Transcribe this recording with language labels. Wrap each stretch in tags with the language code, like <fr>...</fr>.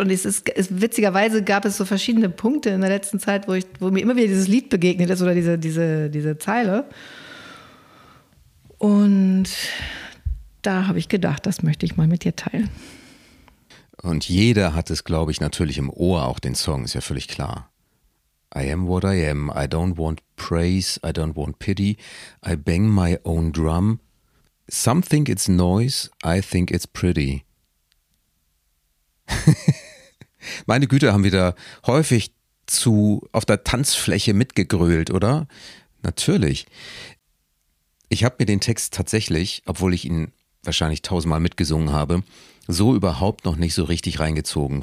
<de>Und witzigerweise gab es so verschiedene Punkte in der letzten Zeit, wo mir immer wieder dieses Lied begegnet ist oder diese Zeile. Und da habe ich gedacht, das möchte ich mal mit dir teilen. Und jeder hat es, glaube ich, natürlich im Ohr, auch den Song, ist ja völlig klar.</de> <en>I am what I am, I don't want praise, I don't want pity, I bang my own drum, some think it's noise, I think it's pretty.</en> <de>Meine Güte, haben wir da häufig auf der Tanzfläche mitgegrölt, oder? Natürlich. Ich habe mir den Text tatsächlich, obwohl ich ihn wahrscheinlich tausendmal mitgesungen habe, so überhaupt noch nicht so richtig reingezogen.</de>